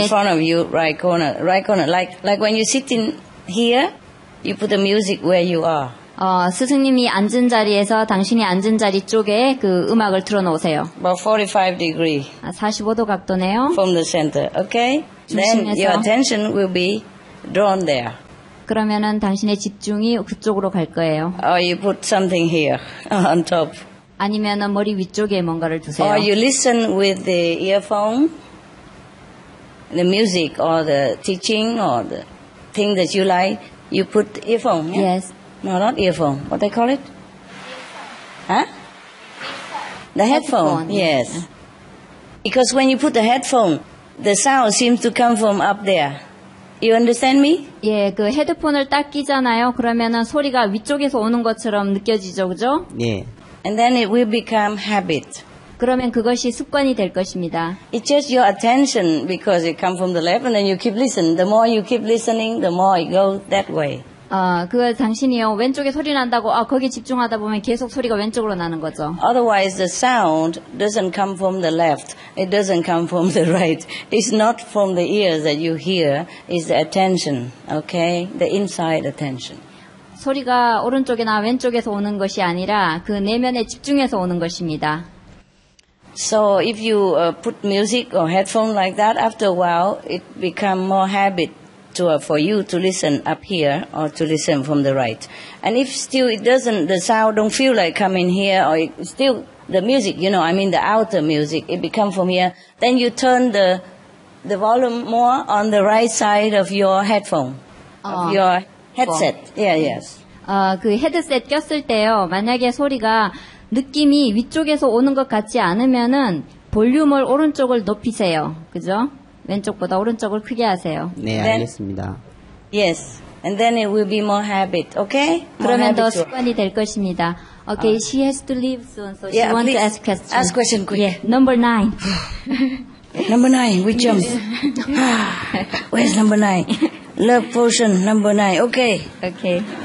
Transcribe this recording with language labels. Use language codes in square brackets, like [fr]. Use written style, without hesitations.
[en] In front of you, right corner, right corner. Like when you sit in here, you put the music where you are. [ko] 스승님이 앉은 자리에서 당신이 앉은 자리 쪽에 그 음악을 틀어놓으세요. [en] About 45 degree. [ko] 45도 각도네요. [en] From the center, okay? [ko] 중심에서. [en] Then your attention will be drawn there. [ko] 그러면은 당신의 집중이 그쪽으로 갈 거예요. [en] Or you put something here on top. [ko] 아니면은 머리 위쪽에 뭔가를 두세요. [en] Or you listen with the earphone, the music or the teaching or the thing that you like, you put earphone. Yeah? Yes. No, not earphone. What they call it? Headphone. Huh? The headphone. Headphone. Yes. Because when you put the headphone, the sound seems to come from up there. You understand me? [ko] 예, 그 헤드폰을 딱 끼잖아요. 그러면은 소리가 위쪽에서 오는 것처럼 느껴지죠, 그죠? 예. [en] And then it will become habit. [ko] 그러면 그것이 습관이 될 것입니다. [en] It's just your attention because it comes from the left and then you keep listening. The more you keep listening, the more it goes that way. [ko] 그 당신이요. 왼쪽에 소리 난다고 거기 집중하다 보면 계속 소리가 왼쪽으로 나는 거죠. [en] Otherwise the sound doesn't come from the left. It doesn't come from the right. It's not from the ears that you hear. It's the attention. Okay? The inside attention. [ko] 소리가 오른쪽이나 왼쪽에서 오는 것이 아니라 그 내면에 집중해서 오는 것입니다. [en] So if you put music or headphone like that, after a while it become more habit. For you to listen up here or to listen from the right. And if still it doesn't, the sound don't feel like coming here or it, still the music, you know, I mean the outer music, it becomes from here, then you turn the volume more on the right side of your headphone, of your headset. Well. Yeah, yes. [ko] 그 헤드셋 꼈을 때요, 만약에 소리가 느낌이 위쪽에서 오는 것 같지 않으면은 볼륨을 오른쪽을 높이세요. 그죠? 왼쪽보다 오른쪽을 크게 하세요. 네, 알겠습니다. [en] Yes, and then it will be more habit, okay? [ko] 그러면 더 습관이 될 것입니다. [en] Okay, she has to leave soon, so yeah, she wants to ask questions. Ask question quick. Yeah, number nine. Number nine, we jump. Where's number nine? Love potion, number nine, okay. Okay.